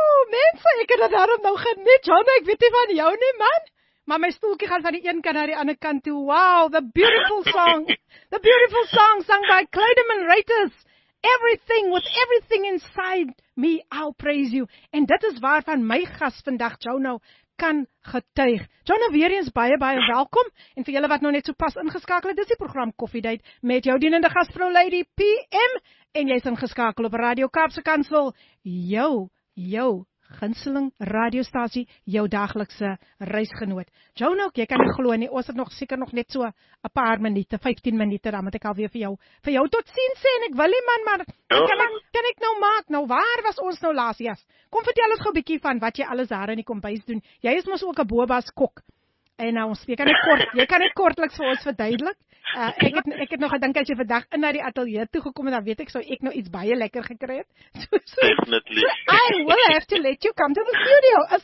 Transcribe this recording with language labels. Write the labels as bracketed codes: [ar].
[af] Mense, ek het dit daarom nou geniet, John, ek weet nie van jou nie, man. Maar my stoeltjie gaan van die een kant naar die ander kant toe. [en] Wow, the beautiful song. The beautiful song sung by Kleideman Reuters. Everything, with everything inside me, I'll praise you. [af] En dit is waarvan my gas vandag, Jono, kan getuig. Jono, weer eens baie, baie welkom. En vir julle wat nou net so pas ingeskakel het, dis die program Koffiedate met jou dienende gasvrou, Lady PM. En jy is ingeskakel op Radio Kaapse Kansel. Jou. Gunsteling radiostasie, jou daglikse reisgenoot. Jono, jy kan nie glo nie, ons het nog seker nog net so 'n paar minute, 15 minute, dan moet ek alweer vir jou tot sien sê, en ek wil nie, man, maar kan ek nou maak, nou waar was ons nou laas? Yes. Kom vertel ons gou 'n bietjie van wat jy alles daar in die kombuis doen. Jy is mos ook 'n boba's kok, en nou, jy kan dit kortliks vir ons verduidelik. Ek het nog gedink as jy vandag in na die ateljee toe gekom en dan weet ek sou ek nou iets baie lekker gekry het. [en] So, definitely. So, I will have to let you come to the studio.